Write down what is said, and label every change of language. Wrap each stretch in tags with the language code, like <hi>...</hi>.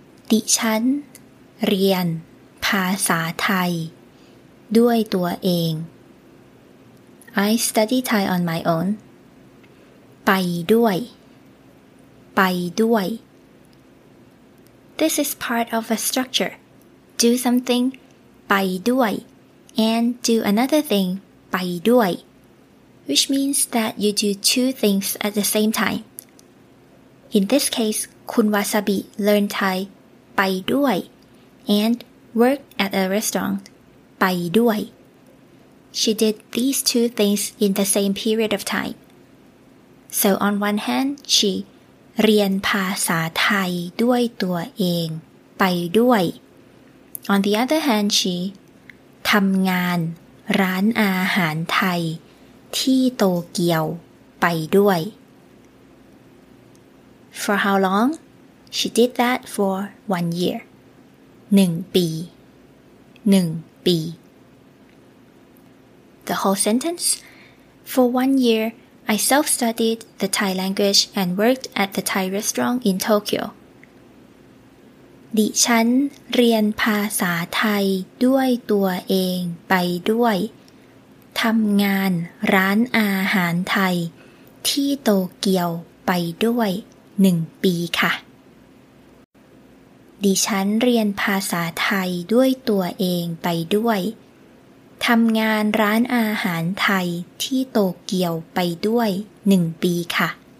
<th>ดิฉันเรียนภาษาไทยด้วยตัวเอง</th> <en>I study Thai on my own</en> <th>ไปด้วยไปด้วย</th> <en>This is part of a structure do something ไปด้วยAnd do another thing, ไปด้วย which means that you do two things at the same time. In this case, คุณวาซาบิ learn Thai,</en> <th>ไปด้วย</th> <en>and work at a restaurant, ไปด้วย She did these two things in the same period of time. So on one hand, she</en> <th>เรียนภาษาไทยด้วยตัวเองไปด้วย</th> <en>On the other hand, she</en> <th>ทำงานร้านอาหารไทยที่โตเกียวไปด้วย</th> <en>For how long? She did that for 1 year.</en> <th>1ปี1ปี</th> <en>The whole sentence. For 1 year, I self-studied the Thai language and worked at the Thai restaurant in Tokyo.</en> <th>ดิฉันเรียนภาษาไทยด้วยตัวเองไปด้วยทำงานร้านอาหารไทยที่โตเกียวไปด้วย1ปีค่ะดิฉันเรียนภาษาไทยด้วยตัวเองไปด้วยทำงานร้านอาหารไทยที่โตเกียวไปด้วย1ปีค่ะ</th>